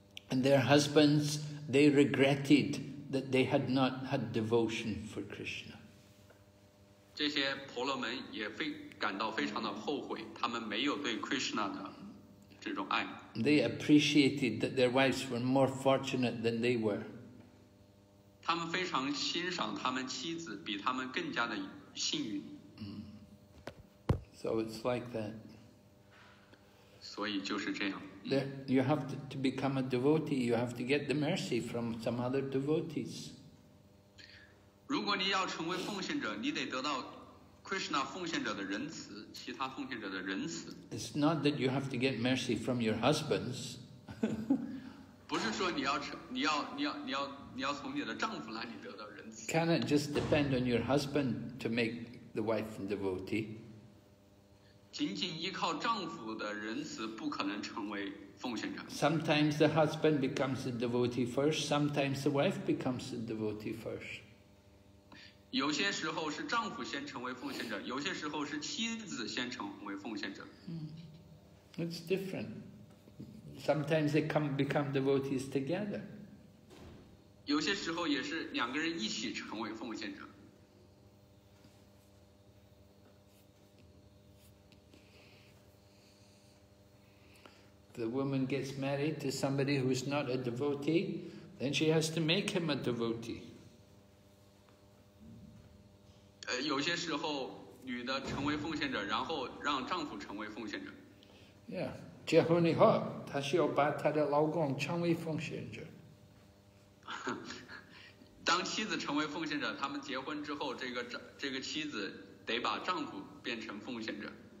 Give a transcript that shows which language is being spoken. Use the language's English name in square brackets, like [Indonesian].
[English] And their husbands, they regretted that they had not had devotion for Krishna. [Chinese] 这些婆罗门也感到非常的后悔，他们没有对 Krishna 的这种爱。 [English] They appreciated that their wives were more fortunate than they were. [Chinese] 他们非常欣赏他们妻子比他们更加的幸运。 [English] So it's like that. [Chinese] 所以就是这样。 [English] You have to become a devotee. You have to get the mercy from some other devotees. [Chinese] 如果你要成为奉献者，你得得到 Krishna 奉献者的仁慈，其他奉献者的仁慈。 [English] It's not that you have to get mercy from your husbands. [Chinese] 不是说你要从你的丈夫那里得到仁慈。 [English] Can it just depend on your husband to make the wife a devotee? [Chinese] 仅仅依靠丈夫的仁慈不可能成为奉献者。 [English] Sometimes the husband becomes a devotee first, sometimes the wife becomes a devotee first. [Chinese] 有些时候是丈夫先成为奉献者，有些时候是妻子先成为奉献者。 [English] It's different. Sometimes they come become devotees together. [Chinese] 有些时候也是两个人一起成为奉献者。 [English] The woman gets married to somebody who is not a devotee, then she has to make him a devotee. [Chinese] 有些时候女的成为奉献者，然后让丈夫成为奉献者。 Yeah, 结婚以后，她需要把她的老公成为奉献者。当妻子成为奉献者，他们结婚之后，这个妻子得把丈夫变成奉献者。